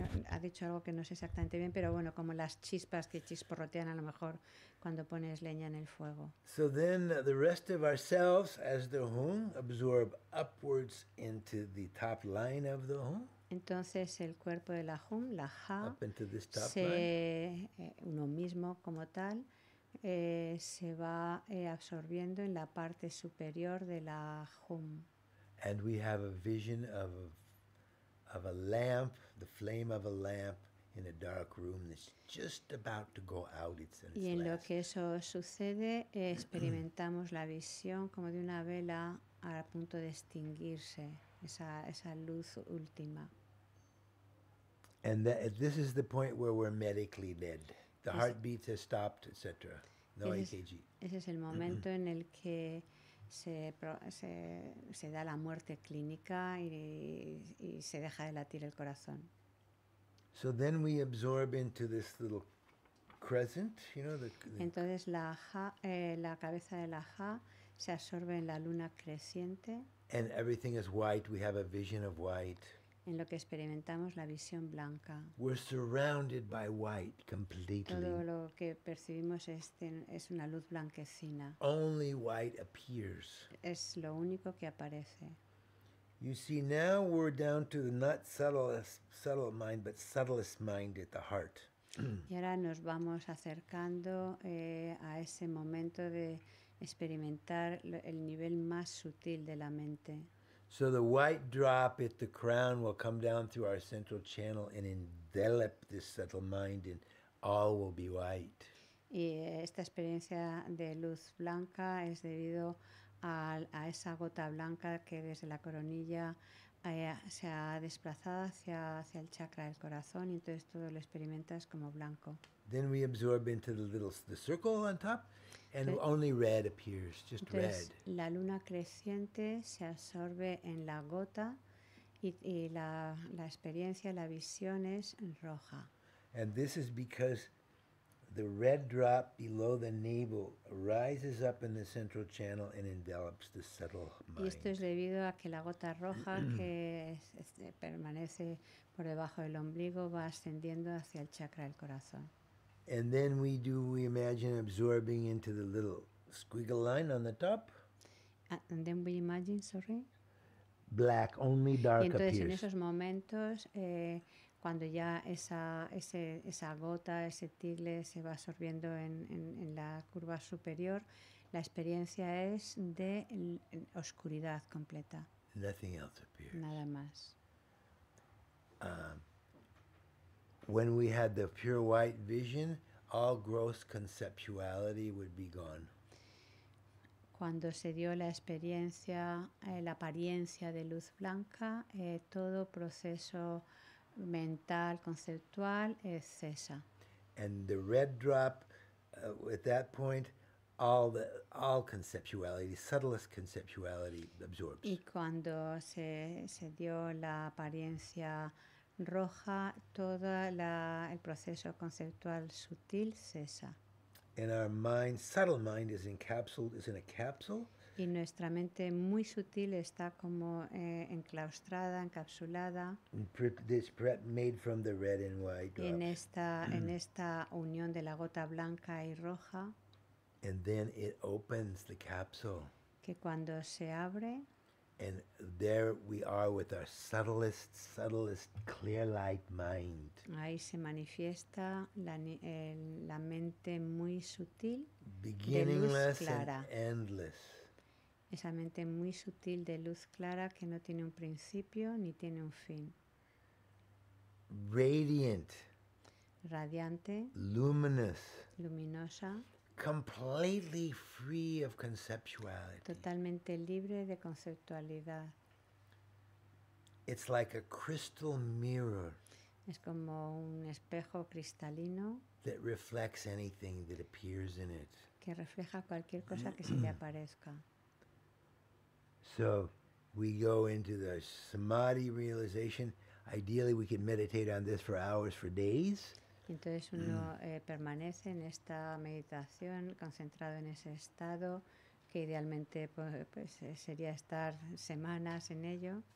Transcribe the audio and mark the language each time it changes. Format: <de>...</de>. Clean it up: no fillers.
<es>ha dicho algo que no sé exactamente bien, pero bueno, como las chispas que chisporrotean a lo mejor cuando pones leña en el fuego.</es> <en>So then the rest of ourselves as the hum absorb upwards into the top line of the hum.</en> <es>Entonces el cuerpo de la hum, la ha,</es> <en>up into this top</en> <es>se,</es> <en>line.</en> <es>Uno mismo como tal, se va absorbiendo en la parte superior de la hum.</es> <en>And we have a vision of a lamp, the flame of a lamp in a dark room that's just about to go out. It's in its last.</en> <es>Y en lo que eso sucede, experimentamos la visión como de una vela a punto de extinguirse, esa luz última.</es> <en>And this is the point where we're medically dead. The heartbeat has stopped, etc. No EKG.</en> <es>Ese es el momento en el que se da la muerte clínica y se deja de latir el corazón.</es> <en>So then we absorb into this little crescent, you know, the</en> <es>entonces la cabeza de la ha se absorbe en la luna creciente.</es> <en>And everything is white, we have a vision of white.</en> <es>En lo que experimentamos la visión blanca.</es> <en>We're surrounded by white completely.</en> <es>Todo lo que percibimos es una luz blanquecina.</es> <en>Only white appears.</en> <es>Es lo único que aparece.</es> <en>You see, now we're down to the not subtle mind, but subtlest mind at the heart.</en> <es>Y ahora nos vamos acercando a ese momento de experimentar el nivel más sutil de la mente.</es> <en>So the white drop at the crown will come down through our central channel and envelop this subtle mind, and all will be white.</en> <es>Y esta experiencia de luz blanca es debido a esa gota blanca que desde la coronilla se ha desplazado hacia el chakra del corazón, y entonces todo lo experimentas como blanco.</es> <en>Then we absorb into the circle on top. And only red appears, just</en> <es>entonces,</es> <en>red.</en> <es>La luna creciente se absorbe en la gota y la experiencia, la visión es roja.</es> <en>And this is because the red drop below the navel rises up in the central channel and envelops the subtle mind.</en> <es>Y esto es debido a que la gota roja que permanece por debajo del ombligo va ascendiendo hacia el chakra del corazón.</es> <en>And then we imagine absorbing into the little squiggle line on the top. And then we imagine, sorry? Black, only dark</en> <es>entonces,</es> <en>appears.</en> <es>Entonces en esos momentos, cuando ya esa gota, ese tigre se va absorbiendo en la curva superior, la experiencia es de oscuridad completa.</es> <en>Nothing else appears.</en> <es>Nada más.</es> <en>When we had the pure white vision, all gross conceptuality would be gone.</en> <es>Cuando se dio la experiencia, la apariencia de luz blanca, todo proceso mental, conceptual, cesa.</es> <en>And the red drop, at that point, all conceptuality, subtlest conceptuality, absorbs.</en> <es>Y cuando se dio la apariencia roja, todo el proceso conceptual sutil cesa.</es> <en>And our mind, subtle mind, is in a capsule.</en> <es>Y nuestra mente muy sutil está como enclaustrada, encapsulada.</es> <en>Made from the red and white drops.</en> <es>En esta unión de la gota blanca y roja.</es> <en>And then it opens the capsule.</en> <es>Que cuando se abre.</es> <en>And there we are with our subtlest clear light mind.</en> <es>Ahí se manifiesta la mente muy sutil,</es> <en>beginningless</en> <es>de luz clara.</es> <en>And endless.</en> <es>Esa mente muy sutil de luz clara que no tiene un principio ni tiene un fin.</es> <en>Radiant.</en> <es>Radiante.</es> <en>Luminous.</en> <es>Luminosa.</es> <en>Completely free of conceptuality.</en> <es>Totalmente libre de conceptualidad.</es> <en>It's like a crystal mirror.</en> <es>Es como un espejo cristalino.</es> <en>That reflects anything that appears in it.</en> <es>Que refleja cualquier cosa que se le aparezca.</es> <en>So we go into the samadhi realization. Ideally, we can meditate on this for hours, for days.</en> <es>Entonces uno permanece en esta meditación, concentrado en ese estado, que idealmente pues sería estar semanas en ello.</es>